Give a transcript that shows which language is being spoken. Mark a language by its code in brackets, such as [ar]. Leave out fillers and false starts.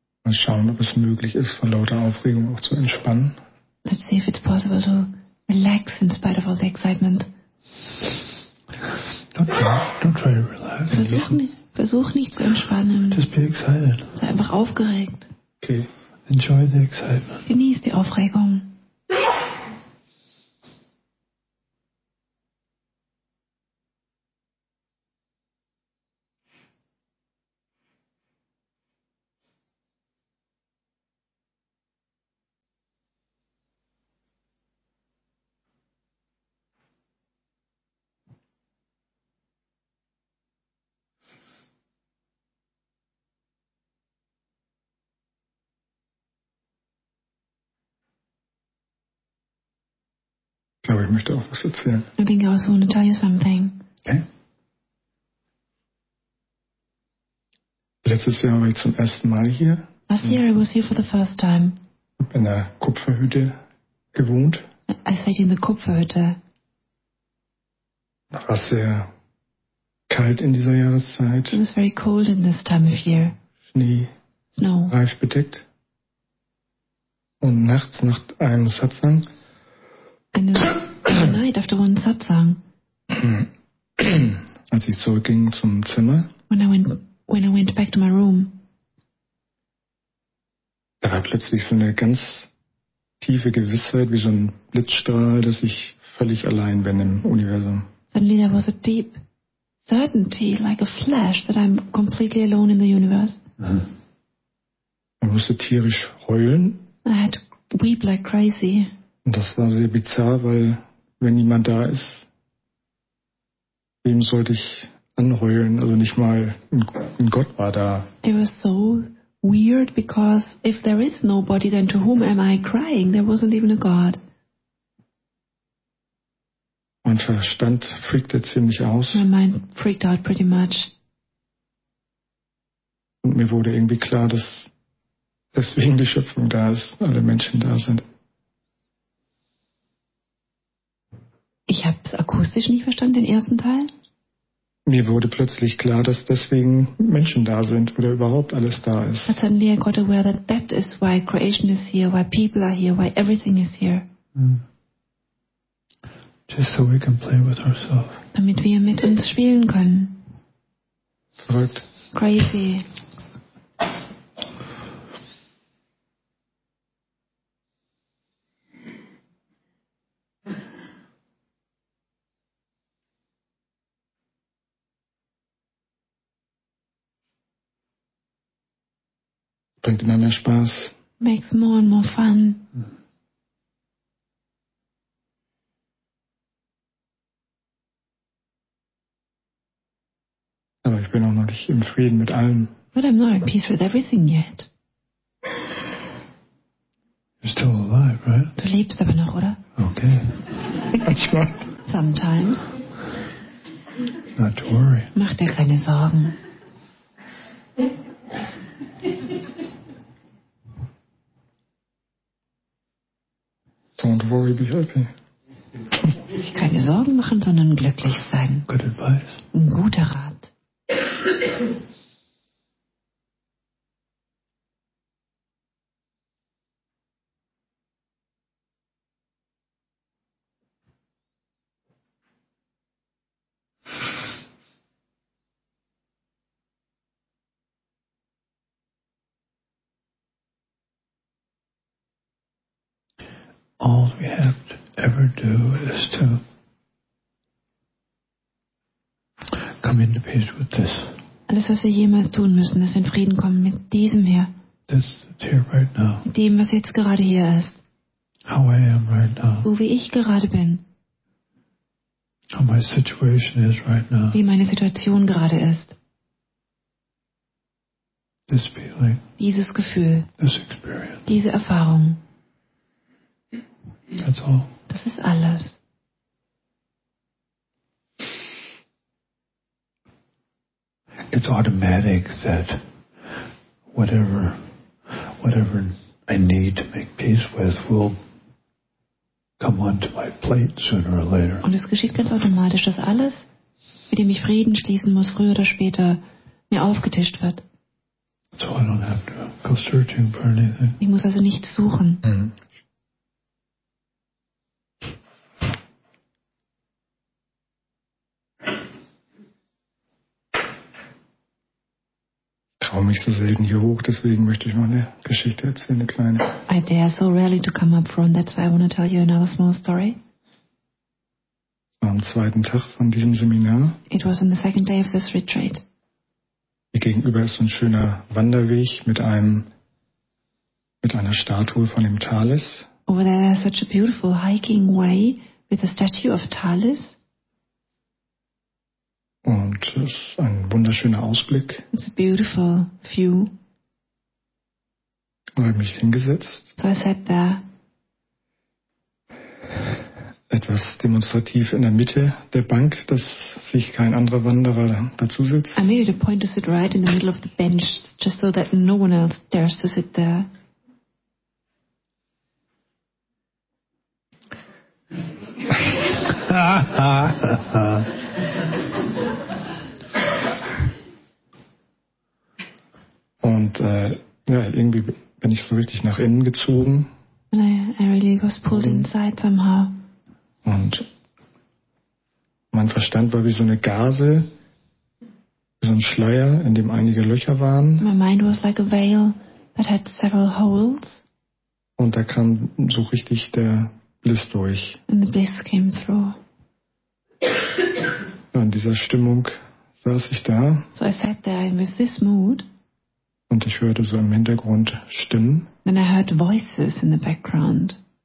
[de] Schauen, ob es möglich ist, vor lauter Aufregung auch zu entspannen. [en] Let's see if it's possible to relax in spite of all the excitement. Don't try to relax. [de] Versuch nicht zu entspannen. [en] Just be excited. [de] Sei einfach aufgeregt. [en] Okay. Enjoy the excitement. [de] Genieß die Aufregung. Ich glaube, ich möchte auch was erzählen. [en] I think I also want to tell you something. Okay. [de] Letztes Jahr war ich zum ersten Mal hier. [en] Last year I was here for the first time. [de] Ich habe in der Kupferhütte gewohnt. [en] I stayed in the Kupferhütte. [de] Es war sehr kalt in dieser Jahreszeit. [en] It was very cold in this time of year. [de] Schnee. [en] Snow. [de] Reif bedeckt. Und nachts nach einem Satsang. [en] And the night after one Satsang. [de] Als ich zurückging zum Zimmer. [en] When I went back to my room. [de] Da war plötzlich so eine ganz tiefe Gewissheit, wie so ein Blitzstrahl, dass ich völlig allein bin im Universum. [en] Suddenly there was a deep certainty, like a flash, that I'm completely alone in the universe. [de] Mhm. Ich musste tierisch heulen. [en] I had to weep like crazy. [de] Und das war sehr bizarr, weil wenn niemand da ist, wem sollte ich anheulen? Also nicht mal ein Gott war da. [en] It was so weird, because if there is nobody, then to whom am I crying? There wasn't even a God. [de] Mein Verstand freakte ziemlich aus. [en] My mind freaked out pretty much. [de] Und mir wurde irgendwie klar, dass deswegen die Schöpfung da ist, alle Menschen da sind. Ich habe es akustisch nicht verstanden, den ersten Teil. Mir wurde plötzlich klar, dass deswegen Menschen da sind oder überhaupt alles da ist. [en] But suddenly I got aware that that is why creation is here, why people are here, why everything is here. Just so we can play with ourselves. [de] Damit wir mit uns spielen können. Verrückt. [en] Crazy. [de] Bringt immer mehr Spaß. [en] Makes more and more fun. [de] Aber ich bin auch noch nicht im Frieden mit allem. [en] But I'm not at peace with everything yet. You're still alive, right? [de] Du lebst aber noch, oder? [en] Okay. [de] Manchmal. [en] Sometimes. Not to worry. [de] Mach dir keine Sorgen. [en] Don't worry, be happy. [de] Sich keine Sorgen machen, sondern glücklich sein. [en] Good advice. [de] Ein guter Rat. [en] All we have to ever do is to come into peace with this. [de] Alles, was wir jemals tun müssen, ist in Frieden kommen mit diesem hier. [en] This is here right now. [de] Mit dem, was jetzt gerade hier ist. [en] How I am right now. [de] So wie ich gerade bin. [en] How my situation is right now. [de] Wie meine Situation gerade ist. [en] This feeling. [de] Dieses Gefühl. [en] This experience. [de] Diese Erfahrung. [en] That's all. [de] Das ist alles. [en] It's automatic that whatever I need to make peace with will come onto my plate sooner or later. [de] Und es geschieht ganz automatisch, dass alles, mit dem ich Frieden schließen muss, früher oder später mir aufgetischt wird. [en] So I don't have to go searching for anything. [de] Ich muss also nichts suchen. Mm-hmm. Ich traue mich so selten hier hoch, deswegen möchte ich mal eine Geschichte erzählen, eine kleine. [en] I dare so rarely to come up front, that's why I want to tell you another small story. [de] Es war am zweiten Tag von diesem Seminar. [en] It was on the second day of this retreat. [de] Hier gegenüber ist so ein schöner Wanderweg mit einer Statue von dem Thales. [en] Over there is such a beautiful hiking way with a statue of Thales. [de] Und es ist ein wunderschöner Ausblick. [en] It's a beautiful view. [de] Und habe mich hingesetzt. [en] So I sat there. [de] etwas demonstrativ in der Mitte der Bank, dass sich kein anderer Wanderer dazu sitzt. [en] I made it a point to sit right in the middle of the bench, just so that no one else dares to sit there. [de] Und irgendwie bin ich so richtig nach innen gezogen. [en] And I really was pulled inside somehow. [de] Und mein Verstand war wie so eine Gase, wie so ein Schleier, in dem einige Löcher waren. [en] My mind was like a veil that had several holes. [de] Und da kam so richtig der Bliss durch. [en] And the bliss came through. [de] Ja, in dieser Stimmung saß ich da. [en] So I sat there with this mood. [de] Und ich hörte so im Hintergrund Stimmen. [en] Then I heard voices in the background.